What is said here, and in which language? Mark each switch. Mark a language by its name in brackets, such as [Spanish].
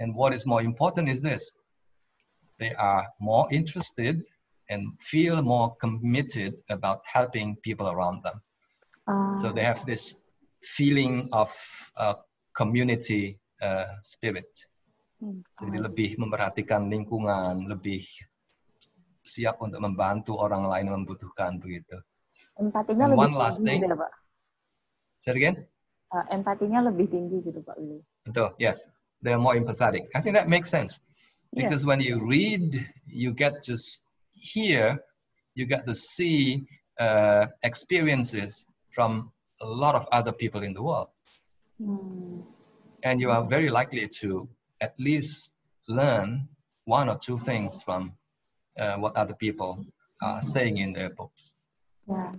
[English] And what is more important is this, they are more interested and feel more committed about helping people around them. So they have this feeling of community spirit. Mm-hmm. [Indonesian] Jadi lebih memperhatikan lingkungan, lebih siap untuk membantu orang lain membutuhkan begitu. Empatinya lebih [English] one last [Indonesian] tinggi, [English] thing. [Indonesian] Gitu, Pak. [English] Say it again. [Indonesian] Empatinya lebih tinggi gitu, Pak Willy. Betul, [English] yes. They're more empathetic. I think that makes sense. Because yeah. when you read, you get to hear, you get to see experiences from a lot of other people in the world. Mm. And you are very likely to at least learn one or two things from what other people are saying in their books. Yeah.